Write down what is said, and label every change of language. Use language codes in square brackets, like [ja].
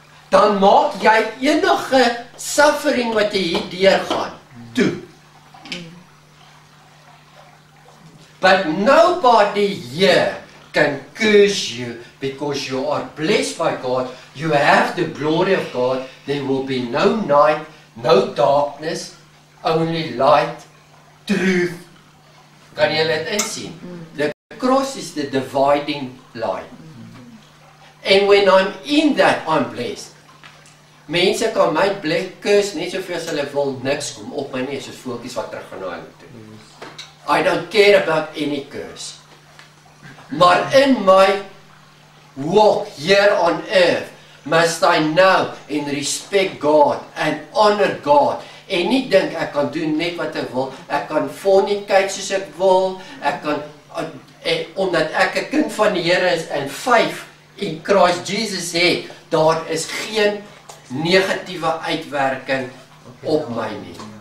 [af] Dan maak jy enige suffering wat jy hier deurgaan toe. [en] But nobody here can curse you because you are blessed by God. You have the glory of God. There will be no night, no darkness, only light, truth. [af] Kan jy dit insien? [en] The cross is the dividing line. And when I'm in that, I'm blessed. [af] Mense kan my blik curse net soveel as hulle wil, niks kom op my nie, soos voeltjies wat terug gaan na hulle toe. [en] I don't care about any curse. Maar in my walk here on earth, must I know and respect God and honor God. [af] En nie dink ek kan doen net wat ek wil. Ek kan fornicate soos ek wil. Ek kan, omdat ek 'n kind van die Here is en faith in Christ Jesus het, daar is geen negatiewe uitwerking op my nie.